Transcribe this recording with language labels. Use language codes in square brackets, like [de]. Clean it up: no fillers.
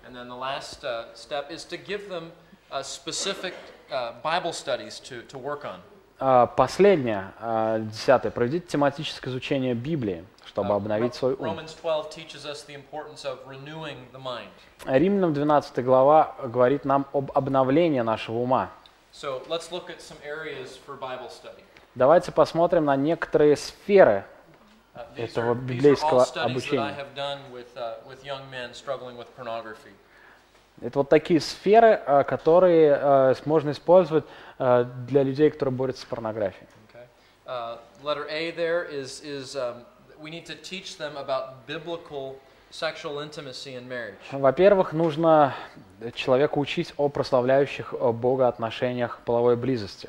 [en] And then the last step is to give them specific Bible studies to work on. [ru] Последнее, десятое, проведите тематическое изучение Библии, чтобы обновить свой ум. [en] Romans 12 teaches us the importance of renewing the mind. [ru] Римлянам 12 глава говорит нам об обновлении нашего ума. [en] So let's look at some areas for Bible study. [ru] Давайте посмотрим на некоторые сферы этого библейского обучения. [en] These are all studies that I have done with young men struggling with pornography. [ru] Это вот такие сферы, которые можно использовать для людей, которые борются с порнографией. [en] Okay. Letter A there is we need to teach them about biblical sexual intimacy in marriage. [ru] Во-первых, нужно человеку учить о прославляющих Бога отношениях половой близости.